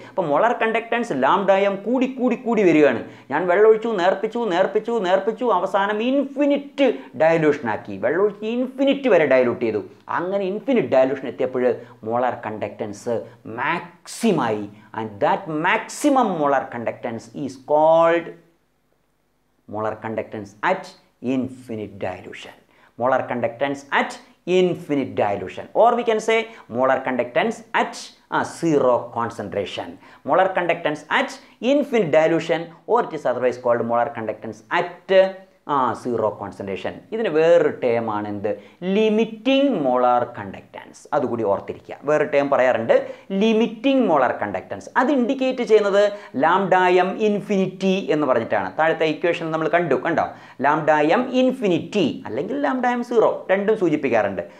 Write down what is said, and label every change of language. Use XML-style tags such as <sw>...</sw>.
<ml>അപ്പോൾ molar conductance ലാംഡയം കൂടി കൂടി കൂടി വരികയാണ്. ഞാൻ വെള്ളമൊഴിച്ചു, നേർപ്പിച്ചു, നേർപ്പിച്ചു, നേർപ്പിച്ചു, അവസാനം ഇൻഫിനിറ്റ് ഡയലൂഷനാക്കി. വെള്ളമൊഴിച്ച് ഇൻഫിനിറ്റ് വരെ ഡയലൂട്ട് ചെയ്തു. അങ്ങനെ ഇൻഫിനിറ്റ് ഡയലൂഷൻ എത്തിയപ്പോൾ molar conductance മാക്സിമായി.</ml> <en>And that maximum molar conductance is called molar conductance at infinite dilution. Molar conductance at infinite dilution, or we can say molar conductance at zero concentration. Molar conductance at infinite dilution, or it is otherwise called molar conductance at zero concentration.</en> <ml>ഇതിന് വേറൊരു term ആണ് എന്ത്, limiting molar conductance. അതുകൂടി ഓർത്തിരിക്കുക. വേറൊരു term പറയാറുണ്ട് limiting molar conductance. അത് indicate ചെയ്യുന്നത് ലാംഡായം ഇൻഫിനിറ്റി എന്ന് പറഞ്ഞിട്ടാണ്. താഴത്തെ ഇക്വേഷൻ നമ്മൾ കണ്ടു, കണ്ടോ? ലാംഡായം ഇൻഫിനിറ്റി അല്ലെങ്കിൽ ലാംഡായം സീറോ, രണ്ടും സൂചിപ്പിക്കാറുണ്ട്.</ml>